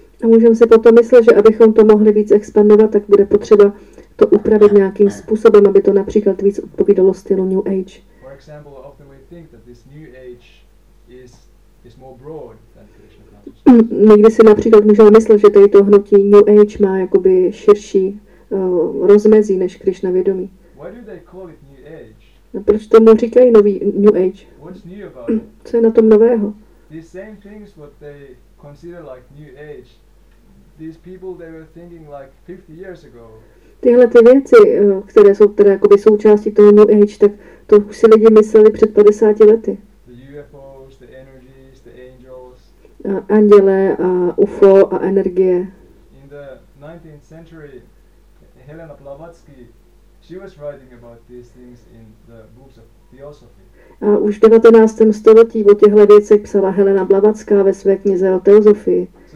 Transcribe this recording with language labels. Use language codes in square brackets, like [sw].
[cs] A můžeme si potom myslet, že abychom to mohli víc expandovat, tak bude potřeba to upravit nějakým způsobem, aby to například víc odpovídalo stylu new age. [en] For example, often we think that this new age is more broad than Krishna consciousness. [cs] Někdy si například můžeme myslet, že tady to hnutí new age má jakoby širší rozmezí než Krishna vědomí. [en] Why do they call it new age? [cs] No, proč tomu říkají nový new age? [en] What's new about it? [cs] Co je na tom nového? [en] These same things what they consider like new age, these people they were thinking like 50 years ago. [cs] Tyhle ty věci, které jsou teda jakoby součástí toho new age, tak to už si lidi mysleli před 50 lety. [en] The UFOs, the energies, the angels. [cs] A andělé a UFO a energie. [en] In the 19th century, Helena Blavatsky, she was writing about these things in the books of theosophy. [cs] A už v 19. století o těchto věcech psala Helena Blavatská ve své knize o teozofii.